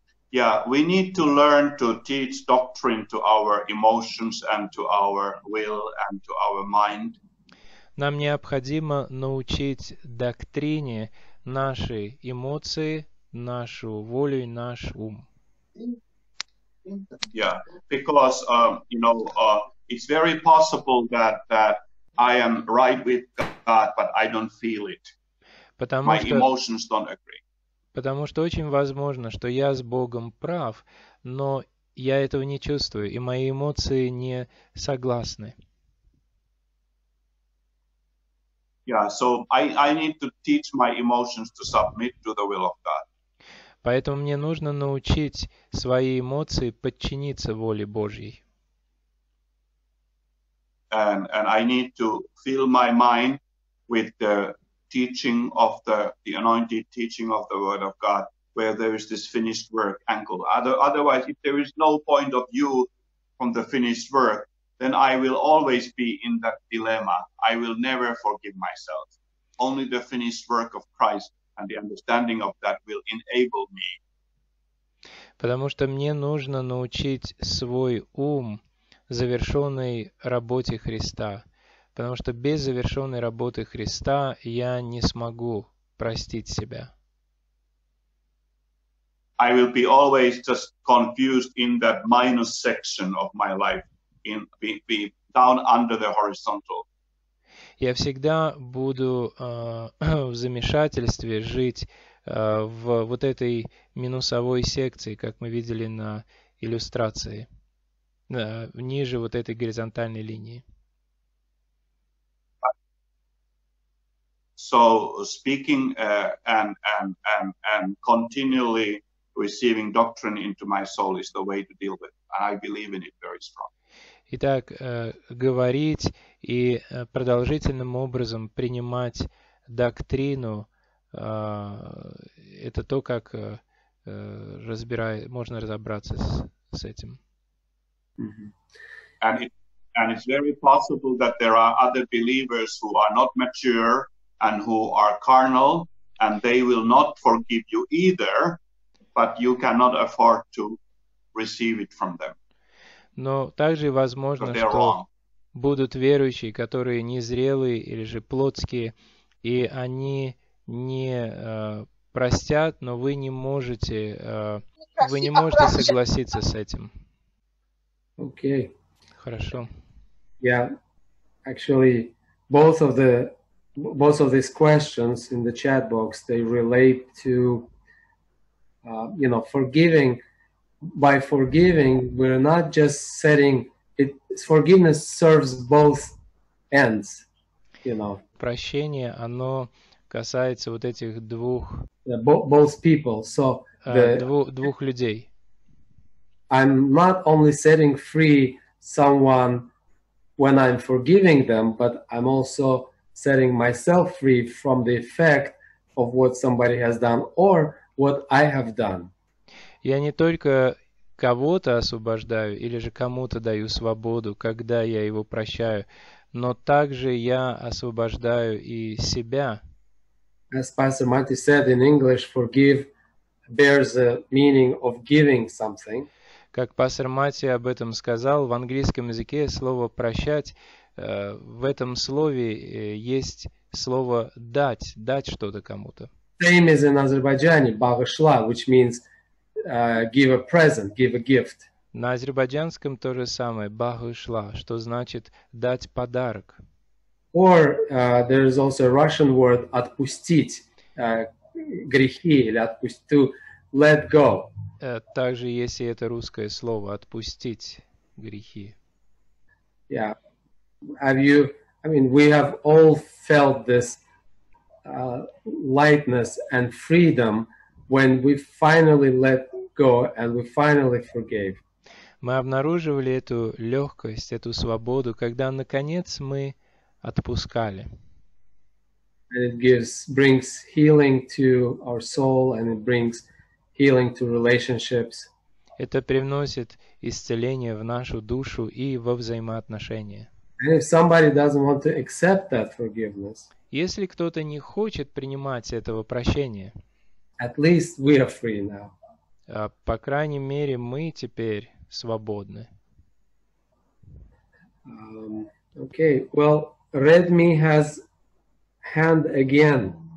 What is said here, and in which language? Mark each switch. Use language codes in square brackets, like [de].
[en] Yeah, we need to learn to teach doctrine to our emotions and to our will and to our mind. [ru] Нам необходимо научить доктрине наши эмоции, нашу волю и наш ум. [en] Yeah, because you know, it's very possible that I am right with God, but I don't feel it. Emotions don't agree. [ru] Потому что очень возможно, что я с Богом прав, но я этого не чувствую, и мои эмоции не согласны. [en] Yeah, so I need to teach my emotions to submit to the will of God. [ru] Поэтому мне нужно научить свои эмоции подчиниться воле Божьей. [en] And I need to fill my mind with the teaching of the anointed teaching of the Word of God, where there is this finished work angle. Otherwise, if there is no point of view from the finished work, then I will always be in that dilemma. I will never forgive myself. Only the finished work of Christ and the understanding of that will enable me. [ru] Потому что мне нужно научить свой ум завершенной работе Христа. Потому что без завершенной работы Христа я не смогу простить себя. [en] I will be always just confused in that minus section of my life. Be down under the horizontal. [ru] Я всегда буду в замешательстве жить в вот этой минусовой секции, как мы видели на иллюстрации, ниже вот этой горизонтальной линии. [en] So speaking and continually receiving doctrine into my soul is the way to deal with it. And I believe in it very strong. [ru] Итак, говорить и продолжительным образом принимать доктрину – это то, как можно разобраться с этим. Mm-hmm. [en] And it's very possible that there are other believers who are not mature and who are carnal, and they will not forgive you either, but you cannot afford to receive it from them. [ru] Но также возможно, что будут верующие, которые незрелые или же плотские, и они не простят, но вы не можете согласиться с этим. Окей. Хорошо. [en] Yeah, actually, both of these questions in the chat box, they relate to, you know, forgiving. By forgiving, we're not just setting it. Forgiveness serves both ends, you know. [ru] Прощение, оно касается вот этих двух. [en] Both people, so [ru] двух людей. [en] I'm not only setting free someone when I'm forgiving them, but I'm also setting myself free from the effect of what somebody has done or what I have done. [ru] Я не только кого-то освобождаю или же кому-то даю свободу, когда я его прощаю, но также я освобождаю и себя. [en] As Pastor Matti said in English, forgive bears the meaning of giving something. [ru] Как пастор Матти об этом сказал, в английском языке слово прощать, в этом слове есть слово дать что-то кому-то. [en] Same as in Azerbaijani, bağışla, which means give a present, give a gift. [ru] На азербайджанском то же самое, bağışla, что значит дать подарок. [en] Or there is also a Russian word [ru] отпустить, грехи, или отпустить, [en] to let go. [ru] Также есть и это русское слово отпустить грехи. [en] Yeah. Have you, I mean, we have all felt this lightness and freedom when we finally let go and we finally forgave. [ru] Мы обнаруживали эту легкость, эту свободу, когда наконец мы отпускали. [en] And it brings healing to our soul and it brings healing to relationships. [ru] Это привносит исцеление в нашу душу и во взаимоотношения. [en] And if somebody doesn't want to accept that forgiveness, [ru] если кто-то не хочет принимать этого прощения, [en] at least we are free now. [ru] По крайней мере, мы теперь свободны. [en] Okay, well, Redmi has hand again.